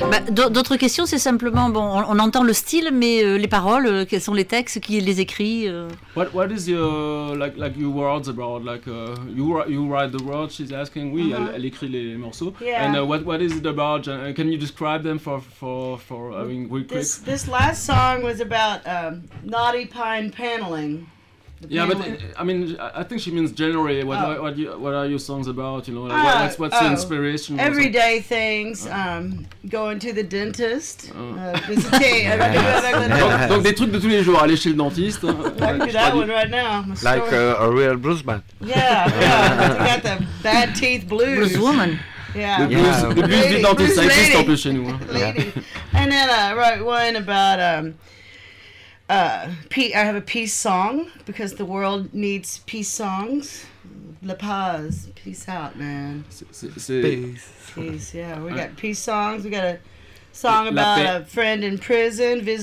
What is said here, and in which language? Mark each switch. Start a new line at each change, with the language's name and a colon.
French: D'autres questions, c'est simplement, bon, on entend le style, mais les paroles, quels sont les textes, qui les écrit?
English: What is your like your words about, like, you write the words, she's asking.
French: Oui, mm-hmm. elle écrit les morceaux.
English: Yeah. And what is it about, can you describe them for I mean, real quick? This last song was about knotty pine paneling. Yeah, but I mean, I think she means generally. What are your songs about? You know, what's the inspiration? Everyday things, going to the dentist, visiting.
French: Donc des trucs de tous les jours, aller chez le dentiste.
English: That one right now. Like a real blues man. Yeah, yeah. Got the bad teeth blues. Blues woman. Yeah.
French: The blues du dentiste, ça existe en plus chez nous.
English: And then I wrote one about I have a peace song because the world needs peace songs.
Spanish: La paz,
English: peace out, man. Peace. Yeah, we got peace songs. We got a song about a friend in prison